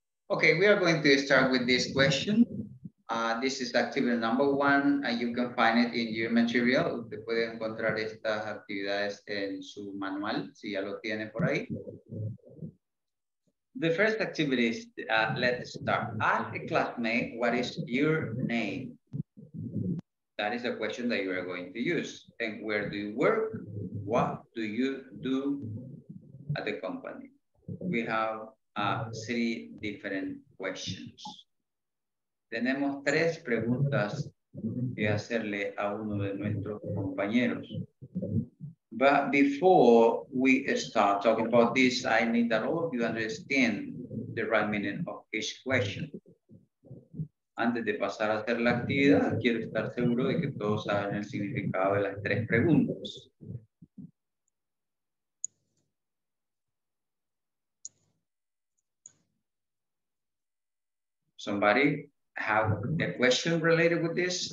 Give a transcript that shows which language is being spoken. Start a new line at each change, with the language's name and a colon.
English: Okay, we are going to start with this question. This is activity number one, and you can find it in your material.
Spanish: Usted puede encontrar estas actividades en su manual, si ya lo tiene por ahí.
English: The first activity is, let's start. Ask a classmate, what is your name? That is the question that you are going to use. And where do you work? What do you do at the company? We have three different questions.
Spanish: Tenemos tres preguntas que hacerle a uno de nuestros compañeros.
English: But before we start talking about this, I need that all of you understand the right meaning of each question.
Spanish: Antes de pasar a hacer la actividad, quiero estar seguro de que todos saben el significado de las tres preguntas.
English: Somebody have a question related with this?